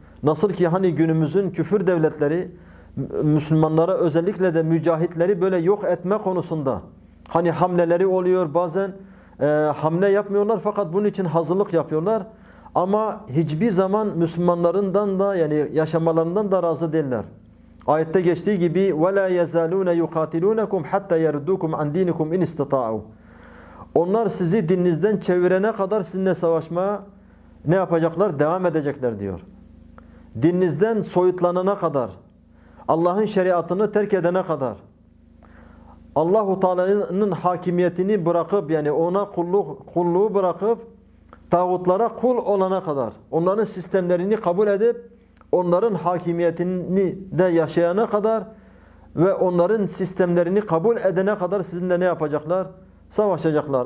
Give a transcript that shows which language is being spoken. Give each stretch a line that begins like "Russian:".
Turkish: Nasıl ki hani günümüzün küfür devletleri Müslümanlara, özellikle de mücahitleri böyle yok etme konusunda hani hamleleri oluyor, bazen hamle yapmıyorlar fakat bunun için hazırlık yapıyorlar. Ama hiçbir zaman Müslümanlarından da yani yaşamalarından da razı değiller. Ayette geçtiği gibi
Arabic: وَلَا يَزَالُونَ يُقَاتِلُونَكُمْ حَتَّى يَرُدُّكُمْ عَنْ دِينِكُمْ اِنْ اِسْتَطَاعُوا.
Turkish: Onlar sizi dininizden çevirene kadar sizinle savaşmaya ne yapacaklar? Devam edecekler diyor. Dininizden soyutlanana kadar, Allah'ın şeriatını terk edene kadar, Allah-u Teala'nın hakimiyetini bırakıp yani ona kulluğu bırakıp tağutlara kul olana kadar, onların sistemlerini kabul edip onların hakimiyetini de yaşayana kadar ve onların sistemlerini kabul edene kadar sizinle ne yapacaklar? Savaşacaklar.